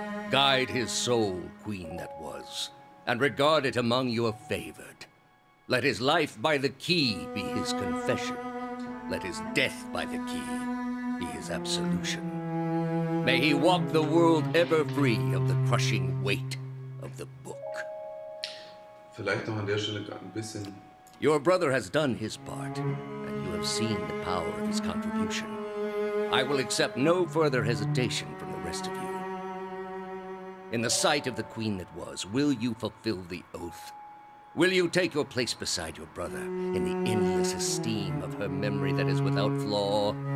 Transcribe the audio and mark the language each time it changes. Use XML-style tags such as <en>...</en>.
<en>Guide his soul, queen that was, and regard it among your favored. Let his life by the key be his confession. Let his death by the key be his absolution. May he walk the world ever free of the crushing weight of the book.</en> <de>Vielleicht noch an der Stelle gerade ein bisschen.</de> <en>Your brother has done his part, and you have seen the power of his contribution. I will accept no further hesitation from the rest of you. In the sight of the queen that was, will you fulfill the oath? Will you take your place beside your brother in the endless esteem of her memory that is without flaw?</en>